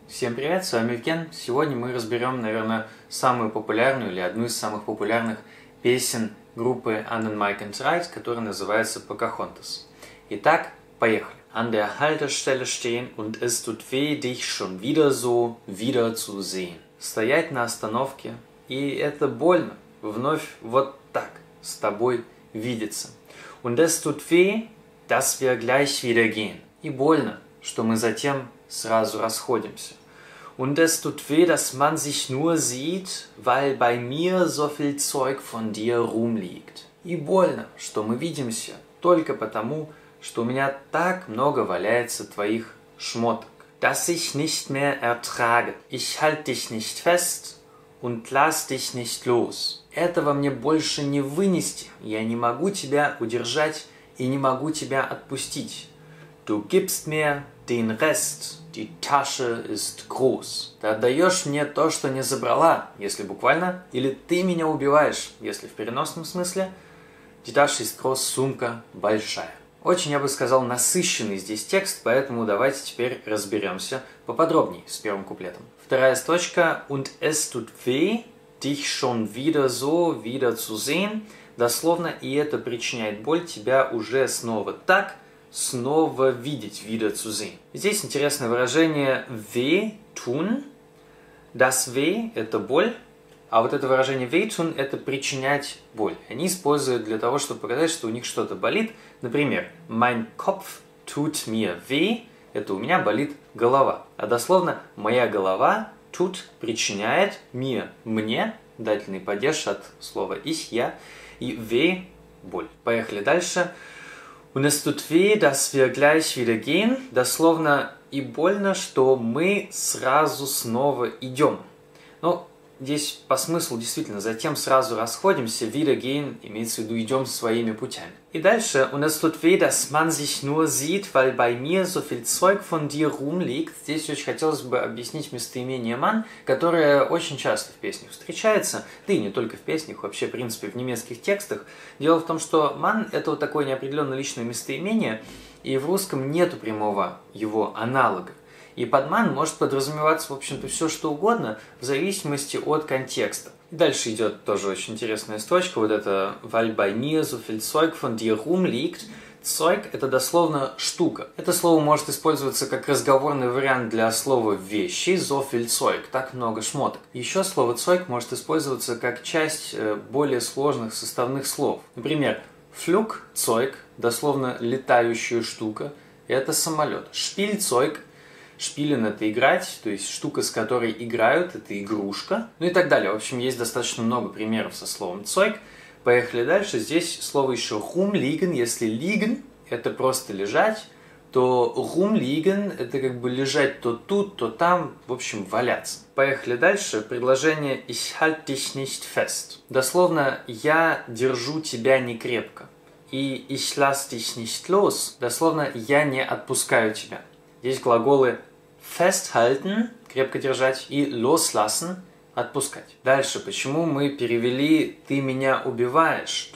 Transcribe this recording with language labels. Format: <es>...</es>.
<ru>Всем привет, с вами Евген. Сегодня мы разберем, наверное, самую популярную или одну из самых популярных песен группы Under My Control, которая называется Pocahontas. Итак, поехали.</ru> <de>An der Haltestelle stehen und es tut weh, dich schon wieder so wieder zu sehen.</de> <ru>Стоять на остановке, и это больно, вновь вот так с тобой видеться.</ru> <de>Und es tut weh, dass wir gleich wieder gehen.</de> <ru>И больно, что мы затем сразу расходимся.</ru> <de>Und es tut weh, dass man sich nur sieht, weil bei mir so viel Zeug von dir rumliegt.</de> <ru>И больно, что мы видимся только потому, что у меня так много валяется твоих шмоток.</ru> <de>Dass ich nicht mehr ertrage. Ich halte dich nicht fest und lass dich nicht los.</de> <ru>Этого мне больше не вынести. Я не могу тебя удержать и не могу тебя отпустить.</ru> <de>Du gibst mir den Rest. Die Tasche ist groß.</de> <ru>Ты отдаешь мне то, что не забрала, если буквально, или ты меня убиваешь, если в переносном смысле.</ru> <de>Die Tasche ist groß,</de> <ru>сумка большая. Очень, я бы сказал, насыщенный здесь текст, поэтому давайте теперь разберемся поподробнее с первым куплетом. Вторая строчка.</ru> <de>Und es tut weh, dich schon wieder so wieder zu sehen.</de> <ru>Дословно, и это причиняет боль тебя уже снова так, снова видеть,</ru> <de>wieder zu sehen.</de> <ru>Здесь интересное выражение weh tun. Das weh – это боль. А вот это выражение «вейтун» – это причинять боль. Они используют для того, чтобы показать, что у них что-то болит. Например,</ru> <de>«mein Kopf tut mir weh»</de> <ru>– это «у меня болит голова». А дословно «моя голова tut» – причиняет «mir» – «мне» – дательный падеж от слова «ich» – «я» и «weh» – «боль». Поехали дальше.</ru> <de>«Und es tut weh, dass wir gleich wieder gehen» – дословно</de> <ru>«и больно, что мы сразу снова идем». Но здесь по смыслу действительно, затем сразу расходимся,</ru> <de>wieder gehen,</de> <ru>имеется в виду, идем своими путями. И дальше,</ru> <de>und es tut weh, dass man sich nur sieht, weil bei mir so viel Zeug von dir rumliegt.</de> <ru>Здесь очень хотелось бы объяснить местоимение man, которое очень часто в песнях встречается, да и не только в песнях, вообще, в принципе, в немецких текстах. Дело в том, что man – это вот такое неопределенное личное местоимение, и в русском нету прямого его аналога. И под man может подразумеваться, в общем-то, все что угодно, в зависимости от контекста. Дальше идет тоже очень интересная строчка, вот это</ru> <de>«weil bei mir so viel Zeug von dir rumliegt».</de> <ru>«Zeug» — это дословно «штука». Это слово может использоваться как разговорный вариант для слова «вещи» —</ru> <de>«so viel Zeug»</de> <ru>— «так много шмоток». Еще слово «Zeug» может использоваться как часть более сложных составных слов. Например, «Flugzeug» — дословно «летающая штука» — это самолет. «Spielzeug» — Шпилен – это играть, то есть штука, с которой играют, это игрушка. Ну и так далее. В общем, есть достаточно много примеров со словом «цойк». Поехали дальше. Здесь слово еще «rumliegen». Если «liegen» – это просто лежать, то «rumliegen» – это как бы лежать то тут, то там, в общем, валяться. Поехали дальше. Предложение</ru> <de>«ich halte dich nicht fest».</de> <ru>Дословно «я держу тебя некрепко». И</ru> <de>«ich lasse dich nicht los».</de> <ru>Дословно «я не отпускаю тебя». Здесь глаголы festhalten, крепко держать, и loslassen, отпускать. Дальше, почему мы перевели «ты меня убиваешь»?</ru>